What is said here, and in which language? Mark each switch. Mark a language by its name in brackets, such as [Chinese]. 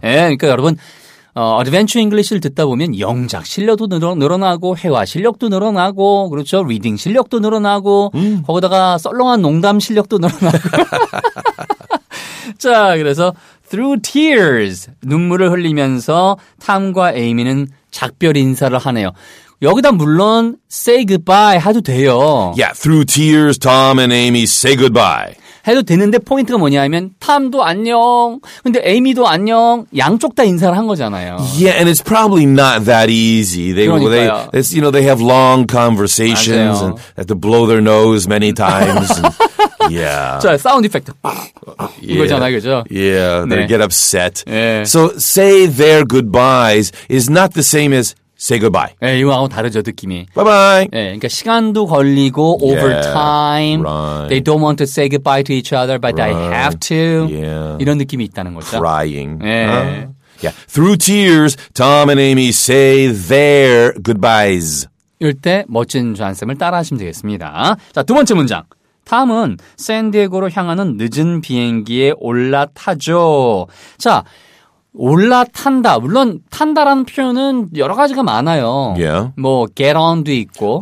[Korean] 예, 그러니까 여러분, 어드벤처 잉글리시를 듣다 보면 영작 실력도 늘어나고 회화 실력도 늘어나고 그렇죠. 리딩 실력도 늘어나고 거기다가 썰렁한 농담 실력도 늘어나고 자, 그래서 [English] through tears [Korean] 눈물을 흘리면서 탐과 에이미는 작별 인사를 하네요. 여기다 물론 [English] say goodbye [Korean] 해도 돼요. [English] Yeah, through tears Tom and Amy say goodbye. [Korean] 해도 되는데 포인트가 뭐냐 하면 탐도 안녕, 근데 에이미도 안녕, 양쪽 다 인사를 한 거잖아요. [English] Yeah, and it's probably not that easy. They, [Korean] 그러니까요. [English] They, you know, they have long conversations [Korean] 맞아요. [English] and have to blow their nose many times. Yeah. [Korean] 자, 사운드 이펙트. 이거잖아요, 그죠? [English] Yeah, they [Korean] 네. [English] get upset. [Korean] 네. [English] So say their goodbyes is not the same as say goodbye. [Korean] 예, 네, 이거하고 다르죠, 느낌이. [English] Bye-bye. [Korean] 네, 그러니까 시간도 걸리고 [English] over time. Yeah, right. They don't want to say goodbye to each other, but right. I have to. Yeah. [Korean] 이런 느낌이 있다는 거죠. [English] Crying. [Korean] 예. 네. [English] Huh? Yeah. Through tears, Tom and Amy say their goodbyes. [Korean] 이럴 때 멋진 존쌤을 따라하시면 되겠습니다. 자, 두 번째 문장. 탐은 샌디에고로 향하는 늦은 비행기에 올라타죠. 자, 올라탄다. 물론 탄다라는 표현은 여러 가지가 많아요. [English] Yeah. [Korean] 뭐 [English] get on [Korean] 도 있고.